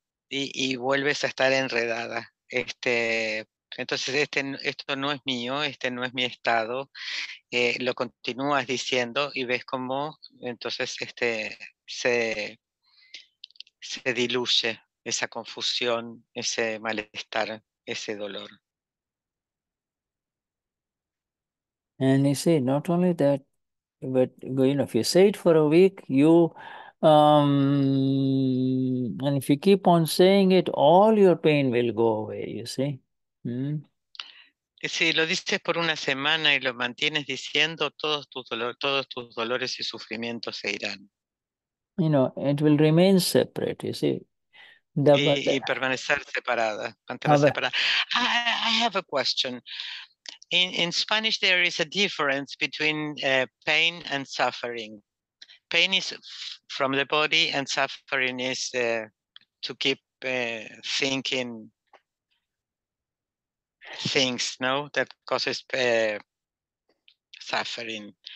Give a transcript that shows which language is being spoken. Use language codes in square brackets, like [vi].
[es] Y vuelves a estar enredada. Entonces, esto no es mío, este no es mi estado. Lo continúas diciendo y ves cómo entonces se diluye esa confusión, ese malestar, ese dolor. [en] And you see, not only that, but you know, if you say it for a week, you and if you keep on saying it, all your pain will go away, you see. [es] Si lo dices por una semana y lo mantienes diciendo, todos tus dolores y sufrimientos se irán. [en] You know, it will remain separate, you see. [es] Y permanecer separada. [en] I have a question. In Spanish, there is a difference between pain and suffering. Pain is from the body and suffering is to keep thinking things, no, that causes suffering.